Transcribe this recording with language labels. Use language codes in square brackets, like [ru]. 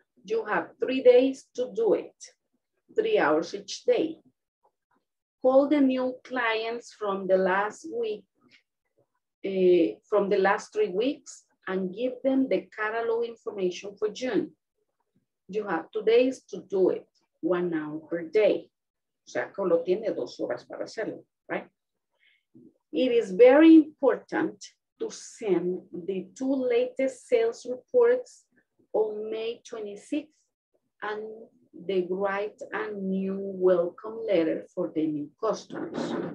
[en] You have 3 days to do it, 3 hours each day. Call the new clients from the last week, from the last 3 weeks, and give them the catalog information for June. You have 2 days to do it, 1 hour per day. [es] O sea, que lo tiene 2 horas para hacerlo, right? [en] It is very important to send the 2 latest sales reports on May 26th and the write a new welcome letter for the new customers.